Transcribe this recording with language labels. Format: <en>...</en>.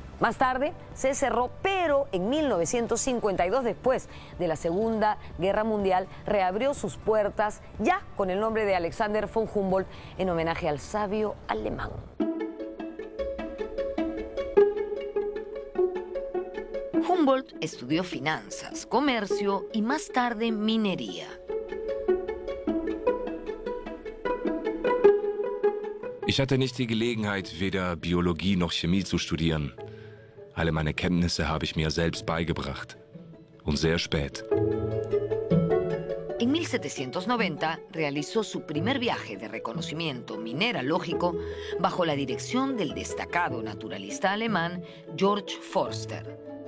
<es>Más tarde se cerró, pero en 1952, después de la Segunda Guerra Mundial, reabrió sus puertas ya con el nombre de Alexander von Humboldt, en homenaje al sabio alemán. Humboldt estudió finanzas, comercio y más tarde minería.</es> <de>Ich hatte nicht die Gelegenheit, weder Biologie noch Chemie zu studieren. Alle meine Kenntnisse habe ich mir selbst beigebracht. Und sehr spät.</de> <es>En 1790 realizó su primer viaje de reconocimiento mineralógico bajo la dirección del destacado naturalista alemán Georg Forster.</es>